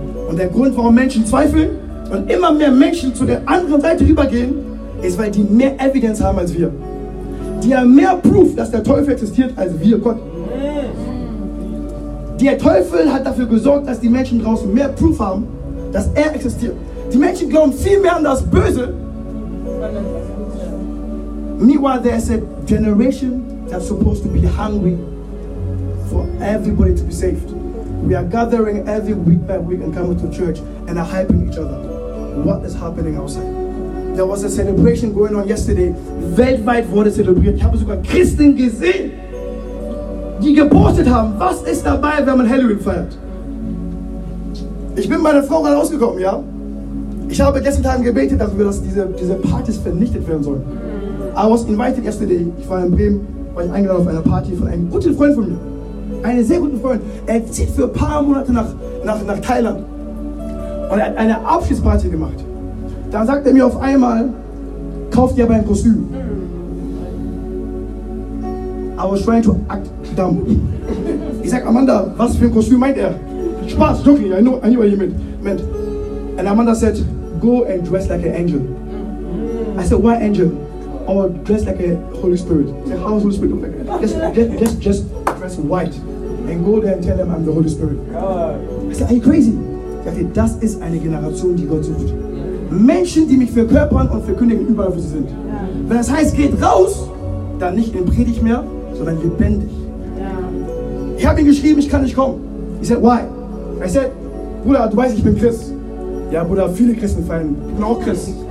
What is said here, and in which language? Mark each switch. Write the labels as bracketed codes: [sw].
[de] Und der Grund, warum Menschen zweifeln und immer mehr Menschen zu der anderen Seite rübergehen, ist, weil die mehr Evidence haben als wir. der mehr prüft, dass der Teufel existiert, als wir Gott. Der Teufel hat dafür gesorgt, dass die Menschen draußen mehr Proof haben, dass er existiert. Die Menschen glauben viel mehr an das Böse. [en] Meanwhile, there is a generation that's supposed to be hungry for everybody to be saved. We are gathering every week by week and coming to church and are hyping each other. What is happening outside? There was a celebration going on yesterday. [de] Weltweit wurde zelebriert. Ich habe sogar Christen gesehen, die gepostet haben, was ist dabei, wenn man Halloween feiert? Ich bin meiner Frau rausgekommen, ja? Ich habe gestern Tag gebetet, dass diese Partys vernichtet werden sollen. [en] I was invited yesterday. [de] Ich war in Bremen, war ich eingeladen auf eine Party von einem guten Freund von mir. Einen sehr guten Freund. Er zieht für ein paar Monate nach Thailand. Und er hat eine Abschiedsparty gemacht. Dann sagt er mir auf einmal, kauf dir aber ein Kostüm. [en] I was trying to act dumb. [de] Ich sag, Amanda, was für ein Kostüm meint er? [en] Spaß, joking, I knew what he meant. And Amanda said, go and dress like an angel. I said, why angel? Or dress like a Holy Spirit. I said, how does Holy Spirit look like? Just dress white and go there and tell them I'm the Holy Spirit. I said, are you crazy? [de] Ich sagte, das ist eine Generation, die Gott sucht. Menschen, die mich verkörpern und verkündigen, überall wo sie sind. Ja. Wenn das heißt, geht raus, dann nicht in Predigt mehr, sondern lebendig. Ja. Ich habe ihm geschrieben, ich kann nicht kommen. Ich [en] said, why? I said, [de] Bruder, du weißt, ich bin Christ. Ja, Bruder, viele Christen feiern. Ich bin auch Christ.